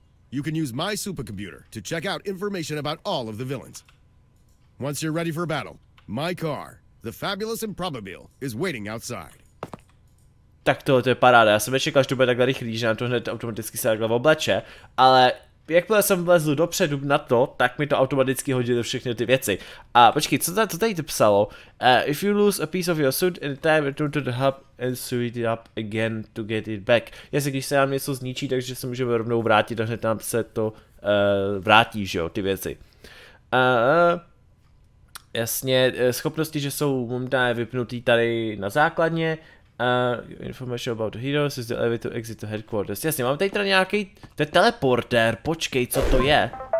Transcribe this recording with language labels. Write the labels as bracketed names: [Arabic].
[English] You can use my supercomputer to check out information about all of the villains. Once you're ready for battle, my car, the fabulous Improbabile, is waiting outside. [Czech] Tak to je paráda, já jsem nečekal, že to bude takhle rychlý, že nám to hned automaticky se takhle obleče, ale jakmile jsem vlezl dopředu na to, tak mi to automaticky hodilo všechny ty věci. A počkej, co tady psalo? [English] If you lose a piece of your suit in time, return to the hub and suit it up again to get it back. [Czech] Jestli když se nám něco zničí, takže se můžeme rovnou vrátit a hned nám se to vrátí, že jo, ty věci. Jasně, schopnosti, že jsou momentálně vypnutý tady na základně. [English] Information about the heroes is the elevator to exit the headquarters. [Czech] Jasně, mám tady teda nějaký. To je teleporter, počkej, co to je?